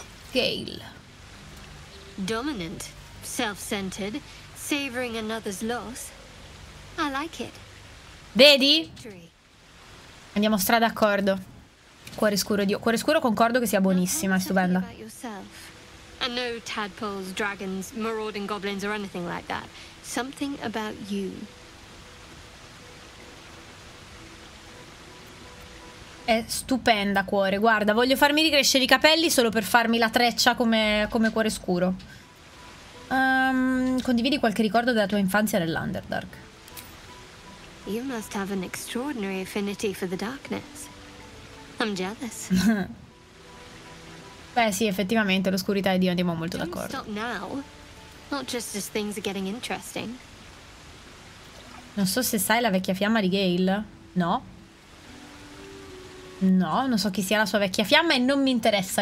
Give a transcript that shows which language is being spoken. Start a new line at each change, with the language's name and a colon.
English: Gale. Dominant, self-centered, savoring another's loss. I like it.
Italian: Vedi? Andiamo stra d'accordo. Cuore scuro, Dio. Cuore scuro, concordo che sia buonissima, è stupenda.
English: I know tadpoles, dragons, marauding goblins or anything like that. Something about you.
Italian: È stupenda, cuore. Guarda, voglio farmi ricrescere i capelli solo per farmi la treccia come cuore scuro. Condividi qualche ricordo della tua infanzia nell'Underdark.
English: You must have an extraordinary affinity for the darkness. I'm jealous.
Italian: Beh sì, effettivamente l'oscurità è di andiamo molto d'accordo.
English: Don't stop now. Not just as things are getting interesting.
Italian: Non so se sai la vecchia fiamma di Gale. No. No, non so chi sia la sua vecchia fiamma e non mi interessa.